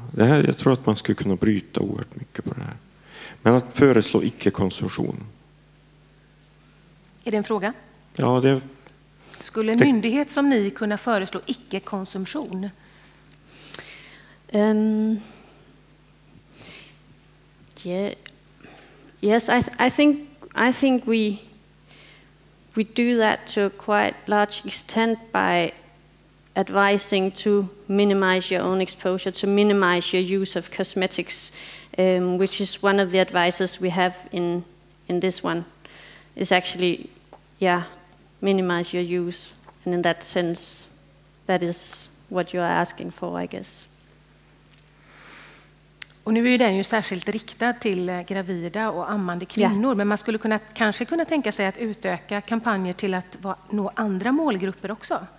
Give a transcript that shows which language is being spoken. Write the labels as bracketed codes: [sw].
[sv] Det här, jag tror att man skulle kunna bryta oerhört mycket på det här. Men att föreslå icke-konsumtion. Är det en fråga? Ja, det... Skulle en myndighet som ni kunna föreslå icke-konsumtion? [en] Yes, I think we do that to a quite large extent by advising to minimize your own exposure, to minimize your use of cosmetics, which is one of the advices we have in this one, is actually, yeah, minimize your use. And in that sense, that is what you are asking for, I guess. [sv] Och nu är ju den ju särskilt riktad till gravida och ammande kvinnor. [en] Yeah. [sv] Men man skulle kanske kunna tänka sig att utöka kampanjer till att nå andra målgrupper också.